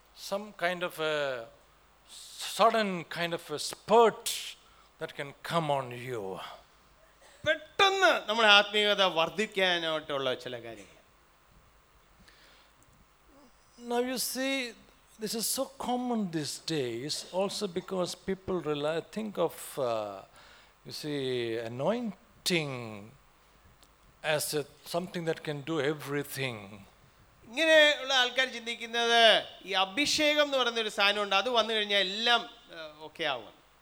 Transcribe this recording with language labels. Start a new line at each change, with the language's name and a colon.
English: Some kind of a sudden kind of a spurt that can come on you.
Malayalam: പെട്ടെന്ന് നമ്മുടെ ആത്മീയത വർദ്ധിക്കാനായിട്ടുള്ള ചില കാര്യങ്ങൾ.
English: Now you see, this is so common these days also because people rely, think of you see anointing as a, something that can do everything.
Malayalam: ഇങ്ങനെ ഉള്ള ആൾക്കാർ ചിന്തിക്കുന്നത് ഈ അഭിഷേകം എന്ന് പറയുന്ന ഒരു സാധനം ഉണ്ട്, അത് വന്നു കഴിഞ്ഞാൽ എല്ലാം ഓക്കെ ആവും.